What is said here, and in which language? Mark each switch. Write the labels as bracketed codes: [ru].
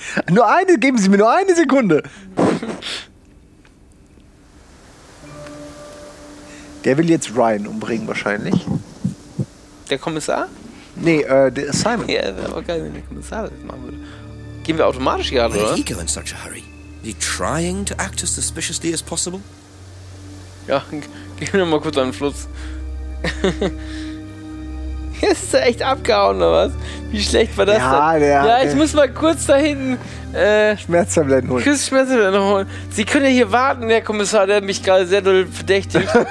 [de] Nur eine, geben Sie mir nur eine Sekunde. Der will jetzt Ryan umbringen wahrscheinlich. Der Kommissar? Nee, der Simon. Ja, wäre aber geil, wenn der Kommissar das machen würde. Gehen wir automatisch gerade, oder? [en] Where did he go in such a hurry? Is he trying to act as suspiciously as possible? [de] Ja, gehen wir mal kurz an den Fluss. Jetzt ist er echt abgehauen, oder was? Wie schlecht war das denn? Ja, ich muss mal kurz da hinten... Schmerztabletten holen. Kurz Schmerztabletten holen. Sie können ja hier warten, Herr Kommissar, der mich gerade sehr doll verdächtigt.